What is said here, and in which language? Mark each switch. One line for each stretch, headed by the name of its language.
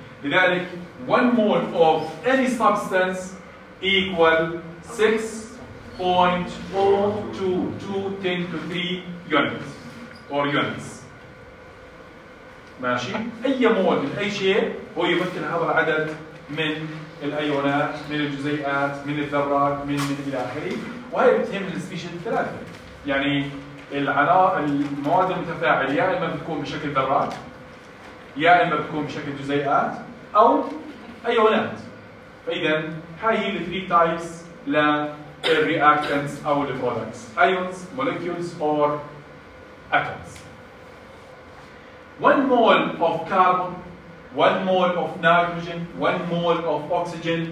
Arabic: لذلك
English: 1 mole of any substance equal 6.022 10 to 3 units. or units.
Arabic: ماشي؟ أي مواد أي شيء هو يمثل هذا العدد من الأيونات من الجزيئات من الذرات من إلى آخره، وهي بتهم السبيشيز الثلاثة. يعني المواد المتفاعلة يا إما بتكون بشكل ذرات يا إما بتكون بشكل جزيئات أو أيونات. فإذا هاي هي الثري تايبس للرياكتنس أو البرودكتس، أيونز مولكيولز أور أتومز.
English: 1 mole of carbon, 1 mole of nitrogen, 1 mole of oxygen.